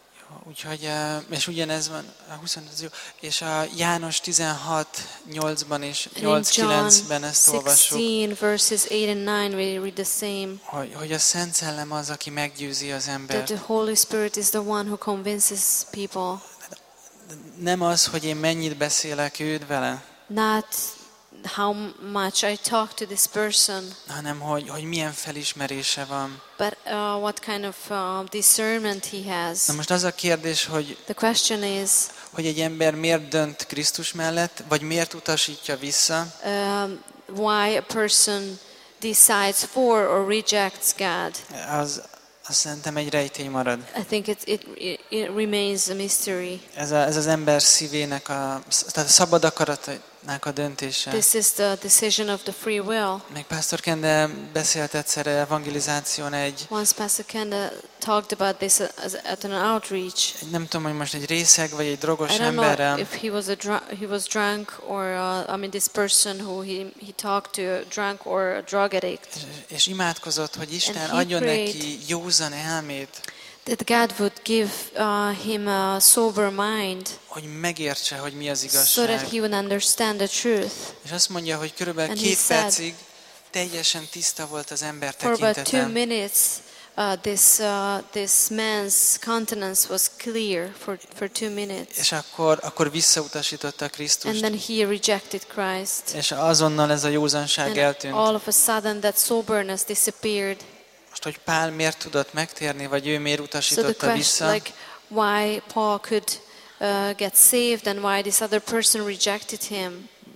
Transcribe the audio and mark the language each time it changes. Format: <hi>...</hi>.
<hu>Jó, úgyhogy, és ugyanez van a 20. És a János 16:8-ban és 8:9-ben ezt olvassuk.</hu> <en>16 verses 8 and 9 we read the same.</en> <hu>Hogy a Szent Szellem az, aki meggyőzi az embert.</hu> <en>That the Holy Spirit is the one who convinces people.</en> <hu>Nem az, hogy én mennyit beszélek őt vele.</hu> <en>Not how much I talk to this person.</en> <hu>Hanem hogy milyen felismerése van.</hu> <en>But what kind of discernment he has.</en> <hu>Na most az a kérdés, hogy</hu> <en>the question is,</en> <hu>hogy egy ember miért dönt Krisztus mellett, vagy miért utasítja vissza?</hu> <en>Why a person decides for or rejects God.</en> <hu>Azt szerintem egy rejtély marad.</hu> <en>I think it remains a mystery.</en> <hu>Ez az ember szívének tehát a szabad akaratának a döntése.</hu> <en>This is the decision of the free will.</en> <hu>Még Pastor Kende beszélt egyszer evangelizáción egy.</hu> <en>Once Pastor Kende talked about this at an outreach.</en> <hu>Nem tudom, hogy most egy részeg vagy egy drogos emberrel.</hu> <en>I don't know if he was drunk or this person who he talked to, drunk or a drug addict.</en> <hu>És imádkozott, hogy Isten adjon neki józan elmét.</hu> <en>That God would give him a sober mind.</en> <hu>Hogy megértse, hogy mi az igazság.</hu> <en>So that he would understand the truth.</en> <hu>És azt mondja, hogy körülbelül két percig teljesen tiszta volt az ember tekintete.</hu> <en>For about 2 minutes, this man's countenance was clear for 2 minutes.</en> <hu>És akkor visszautasította Krisztust.</hu> <en>And then he rejected Christ.</en> <hu>És azonnal ez a józanság eltűnt.</hu> <en>And all of a sudden that soberness disappeared.</en> <hu>Most, hogy Pál miért tudott megtérni, vagy ő miért utasította vissza?</hu> <en>So the question, like, why Paul could get saved and why this other person rejected him?</en>